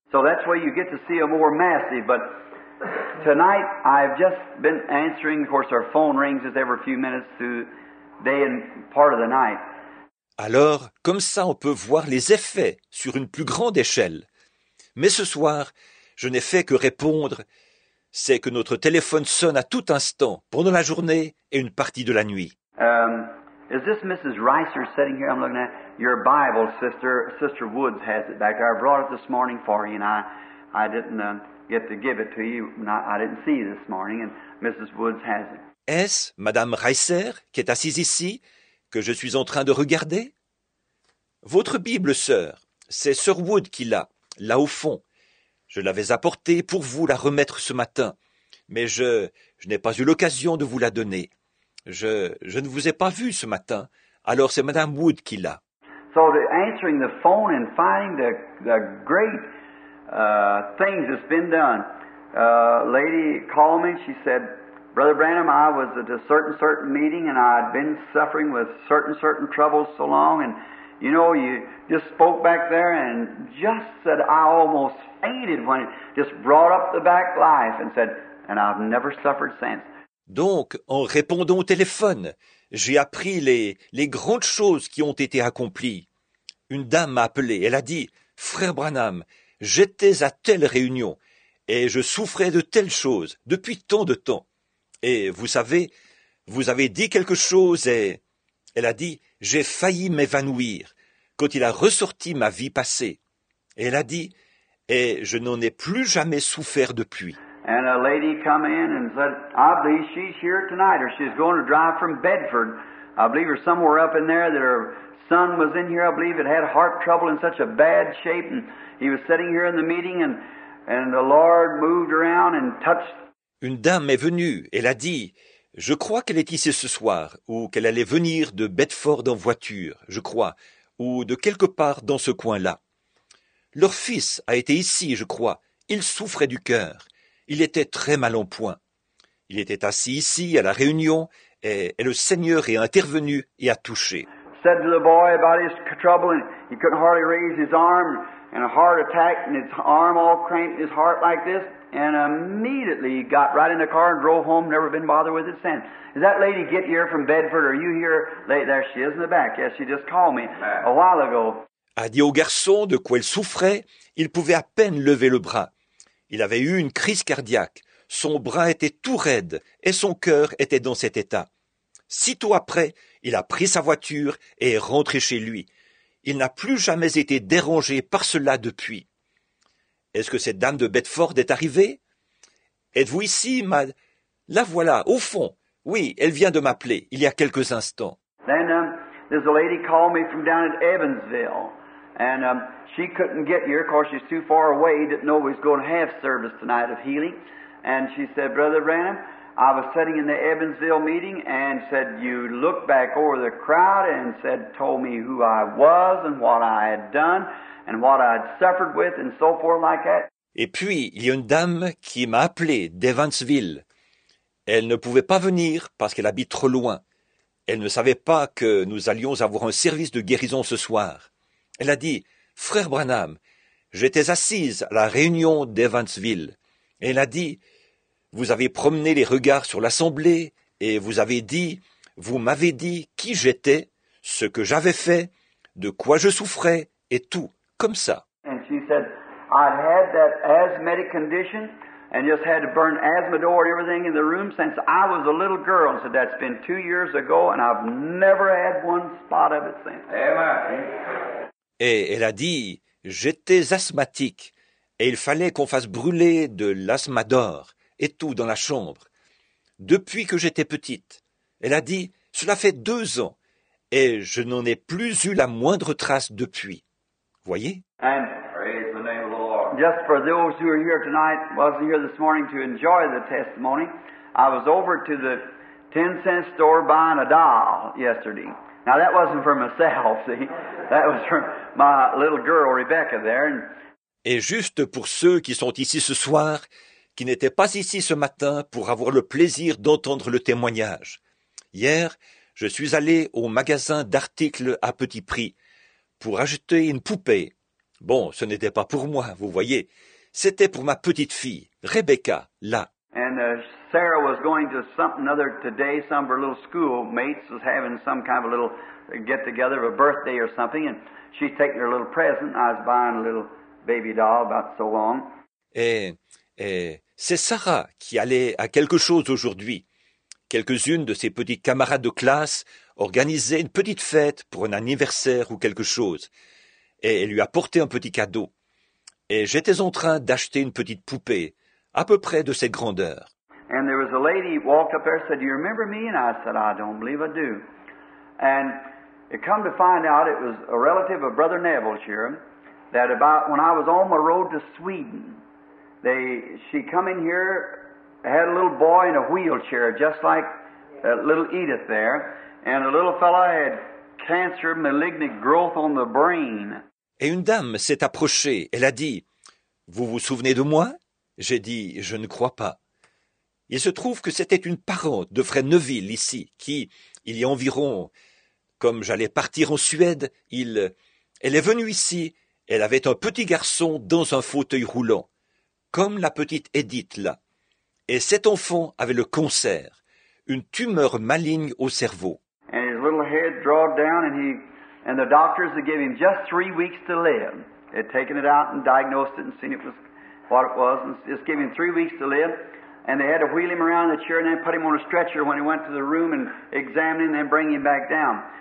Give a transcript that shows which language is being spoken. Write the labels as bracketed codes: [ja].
[en] So that's where you get to see a more massive, but tonight I've just been answering, of course our phone rings every few minutes through day and part of the night. [fr] Alors, comme ça, on peut voir les effets sur une plus grande échelle. Mais ce soir, je n'ai fait que répondre. C'est que notre téléphone sonne à tout instant, pendant la journée et une partie de la nuit. [en] Is this Mrs. Rice you're sitting here? I'm looking at your Bible, Sister Woods has it back there. I brought it this morning for you, and I didn't get to give it to you. I didn't see you this morning, and Mrs. Woods has it. [fr] Est-ce Madame Reiser qui est assise ici que je suis en train de regarder? Votre Bible, sœur, c'est Sir Wood qui l'a, là au fond. Je l'avais apportée pour vous la remettre ce matin, mais je n'ai pas eu l'occasion de vous la donner. Je ne vous ai pas vu ce matin, alors c'est Madame Wood qui l'a. [en] So answering the phone and finding the great things that's been done. Lady called me, she said, Brother Branham, I was at a certain meeting and I'd been suffering with certain troubles so long, and you know, you just spoke back there and just said I almost fainted when it just brought up the back life and said, and I've never suffered since. [fr] Donc, en répondant au téléphone, j'ai appris les grandes choses qui ont été accomplies. Une dame m'a appelé, elle a dit, Frère Branham, j'étais à telle réunion et je souffrais de telles choses depuis tant de temps. Et vous savez, vous avez dit quelque chose et... Elle a dit, j'ai failli m'évanouir quand il a ressorti ma vie passée. Et elle a dit, et je n'en ai plus jamais souffert depuis. [en] And a lady come in and said, I believe she's here tonight or she's going to drive from Bedford. I believe her somewhere up in there that her son was in here. I believe it had heart trouble in such a bad shape and he was sitting here in the meeting and the Lord moved around and touched. [fr] Une dame est venue, elle a dit, je crois qu'elle est ici ce soir, ou qu'elle allait venir de Bedford en voiture, je crois, ou de quelque part dans ce coin-là. Leur fils a été ici, je crois. Il souffrait du cœur. Il était très mal en point. Il était assis ici à la réunion, et le Seigneur est intervenu et a touché. [en] Said to the boy about his trouble, and he couldn't hardly raise his arm, and a heart attack, and his arm all cramped, his heart like this. And immediately he got right in the car and drove home, never been bothered with it since. Is that lady get here from Bedford? Are you here? Late? There she is in the back. Yes, she just called me a while ago. [fr] A dit au garçon de quoi il souffrait. Il pouvait à peine lever le bras. Il avait eu une crise cardiaque. Son bras était tout raide et son cœur était dans cet état. Sitôt après, il a pris sa voiture et est rentré chez lui. Il n'a plus jamais été dérangé par cela depuis. Est-ce que cette dame de Bedford est arrivée? Êtes-vous ici, ma... La voilà, au fond. Oui, elle vient de m'appeler, il y a quelques instants. [en] Then, there's a lady called me from down at Evansville. And she couldn't get here, of course she's too far away, didn't know we was going to have service tonight of healing. And she said, Brother Branham, I was sitting in the Evansville meeting and said, you looked back over the crowd and said, told me who I was and what I had done. And what I'd suffered with and so forth like that. [fr] Et puis, il y a une dame qui m'a appelé d'Evansville. Elle ne pouvait pas venir parce qu'elle habite trop loin. Elle ne savait pas que nous allions avoir un service de guérison ce soir. Elle a dit, Frère Branham, j'étais assise à la réunion d'Evansville. Et elle a dit, vous avez promené les regards sur l'assemblée et vous m'avez dit qui j'étais, ce que j'avais fait, de quoi je souffrais et tout. Comme ça. [en] And she said, I had that asthmatic condition and just had to burn Asthmador and everything in the room since I was a little girl. So that's been 2 years ago and I've never had one spot of it since. Amen. [fr] Et elle a dit, j'étais asthmatique et il fallait qu'on fasse brûler de l'Asthmador et tout dans la chambre. Depuis que j'étais petite, elle a dit, cela fait 2 ans et je n'en ai plus eu la moindre trace depuis. Voyez. [en] And praise the name of the Lord. Just for those who are here tonight, wasn't here this morning to enjoy the testimony, I was over to the 10-cent store buying a doll yesterday. Now that wasn't for myself, see. That was for my little girl, Rebecca, there. [fr] Et juste pour ceux qui sont ici ce soir, qui n'étaient pas ici ce matin pour avoir le plaisir d'entendre le témoignage. Hier, je suis allé au magasin d'articles à petit prix pour acheter une poupée. Bon, ce n'était pas pour moi, vous voyez. C'était pour ma petite fille, Rebecca, là. [en] And Sarah was going to something other today, some of her little school mates was having some kind of a little get together of a birthday or something, and she's taking her little present. I was buying a little baby doll about so long. [fr] Et c'est Sarah qui allait à quelque chose aujourd'hui. Quelques-unes de ses petites camarades de classe organisaient une petite fête pour un anniversaire ou quelque chose. Et elle lui a porté un petit cadeau. Et j'étais en train d'acheter une petite poupée, à peu près de cette grandeur. [en] And there was a lady walked up there and said, "Do you remember me?" And I said, "I don't believe I do." And it come to find out it was a relative of Brother Neville's here, that about when I was on my road to Sweden, she come in here, had a little boy in a wheelchair, just like little Edith there, and a little fella had cancer, malignant growth on the brain. [fr] Et une dame s'est approchée, elle a dit, « Vous vous souvenez de moi ?» J'ai dit, « Je ne crois pas. » Il se trouve que c'était une parente de Fred Neville ici, qui, il y a environ, comme j'allais partir en Suède, elle est venue ici, elle avait un petit garçon dans un fauteuil roulant, comme la petite Edith là. Et cet enfant avait le cancer, une tumeur maligne au cerveau. [en] And his little head dropped down and the doctors had given him just 3 weeks to live. They had taken it out and diagnosed it and seen what it was and just gave him 3 weeks to live. And they had to wheel him around the chair and then put him on a stretcher when he went to the room and examine him and then bring him back down.